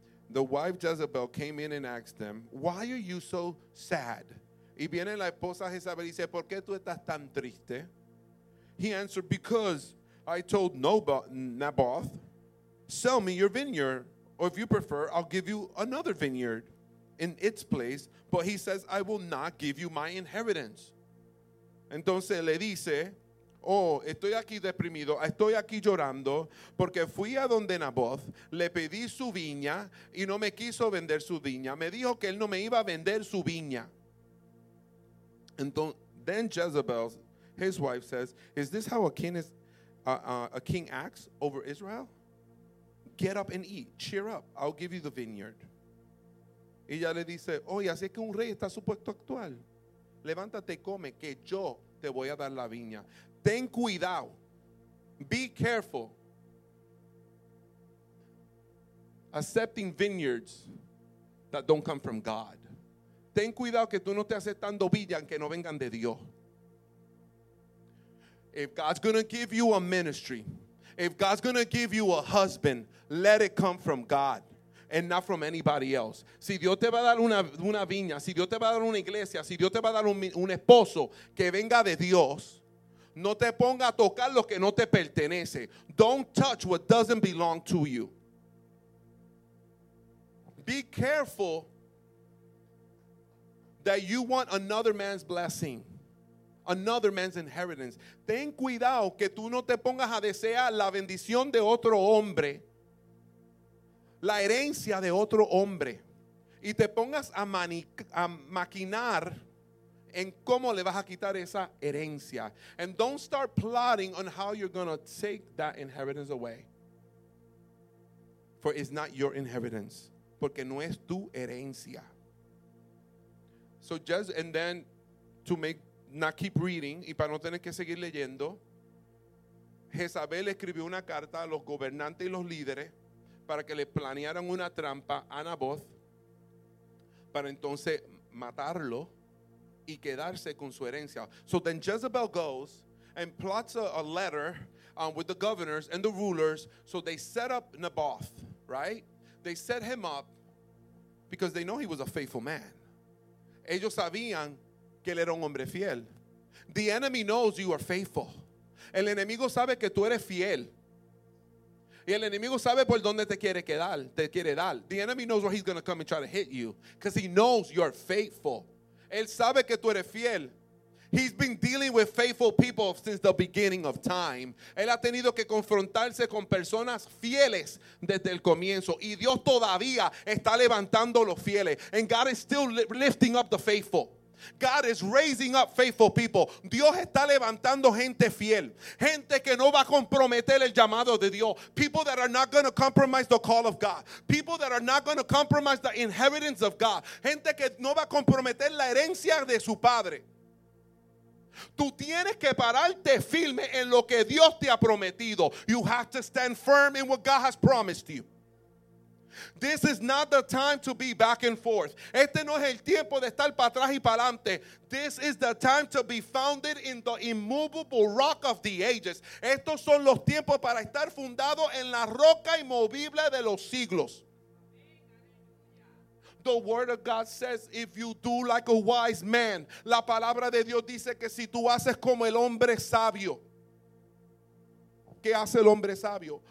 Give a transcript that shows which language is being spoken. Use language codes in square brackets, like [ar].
[en] The wife, Jezebel, came in and asked them, why are you so sad? [es] Y viene la esposa Jezebel y dice, ¿por qué tú estás tan triste? [en] He answered, because I told Naboth, sell me your vineyard, or if you prefer, I'll give you another vineyard. in its place, but he says, I will not give you my inheritance. [es] Entonces le dice, oh, estoy aquí deprimido, estoy aquí llorando, porque fui a donde Naboth, le pedí su viña, y no me quiso vender su viña. Me dijo que él no me iba a vender su viña. Entonces, [en] then Jezebel, his wife, says, is this how a king acts over Israel? Get up and eat. Cheer up. I'll give you the vineyard. [es] Y ella le dice, oye, así es que un rey está supuesto actual. Levántate, come, que yo te voy a dar la viña. Ten cuidado. [en] Be careful. Accepting vineyards that don't come from God. [es] Ten cuidado que tú no estés aceptando viñas que no vengan de Dios. [en] If God's going to give you a ministry, if God's going to give you a husband, let it come from God and not from anybody else. [es] Si Dios te va a dar una viña, si Dios te va a dar una iglesia, si Dios te va a dar un esposo que venga de Dios, no te ponga a tocar lo que no te pertenece. [en] Don't touch what doesn't belong to you. Be careful that you want another man's blessing, another man's inheritance. [es] Ten cuidado que tú no te pongas a desear la bendición de otro hombre, la herencia de otro hombre, y te pongas a maquinar en cómo le vas a quitar esa herencia. [en] And don't start plotting on how you're going to take that inheritance away. For it's not your inheritance. [es] Porque no es tu herencia. [en] So just, and then to make not keep reading, [es] y para no tener que seguir leyendo, Jezabel escribió una carta a los gobernantes y los líderes para que le planearan una trampa a Naboth para entonces matarlo y quedarse con su herencia. [en] So then Jezebel goes and plots a letter with the governors and the rulers. So they set up Naboth, right? They set him up because they know he was a faithful man. [es] Ellos sabían que él era un hombre fiel. [en] The enemy knows you are faithful. [es] El enemigo sabe que tú eres fiel. Y el enemigo sabe por dónde te quiere dar. [en] The enemy knows where he's going to come and try to hit you. Because he knows you are faithful. [es] Él sabe que tú eres fiel. [en] He's been dealing with faithful people since the beginning of time. [es] Él ha tenido que confrontarse con personas fieles desde el comienzo. Y Dios todavía está levantando los fieles. [en] And God is still lifting up the faithful. God is raising up faithful people. [es] Dios está levantando gente fiel. Gente que no va a comprometer el llamado de Dios. [en] People that are not going to compromise the call of God. People that are not going to compromise the inheritance of God. [es] Gente que no va a comprometer la herencia de su padre. Tú tienes que pararte firme en lo que Dios te ha prometido. [en] You have to stand firm in what God has promised you. This is not the time to be back and forth. [es] Este no es el tiempo de estar para atrás y para adelante. [en] This is the time to be founded in the immovable rock of the ages. [es] Estos son los tiempos para estar fundado en la roca inmovible de los siglos. [en] The word of God says, if you do like a wise man. [es] La palabra de Dios dice que si tú haces como el hombre sabio. ¿Qué hace el hombre sabio?